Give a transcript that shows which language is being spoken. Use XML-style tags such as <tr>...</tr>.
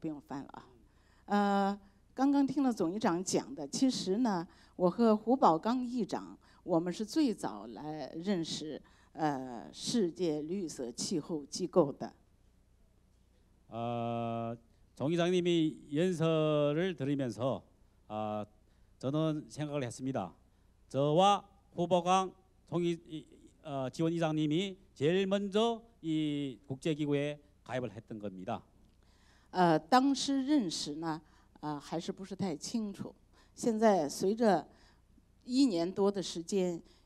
<zh>刚学会了一句“辛苦了”这一句话，韩国话。对，说的不好啊，刚学的，现学现卖，这句话就不用翻了啊。刚刚听了总议长讲的，其实呢，我和胡宝刚议长，我们是最早来认识世界绿色气候机构的。</zh> <ko>총의장님이 연설을 들으면서 저는 생각을 했습니다. 저와 후보강 총의 지원의장님이 제일 먼저 이 국제기구에 가입을 했던 겁니다. 당시</ko> <zh>认识呢。还是不是太清楚。现在随着1年多的时间，</zh>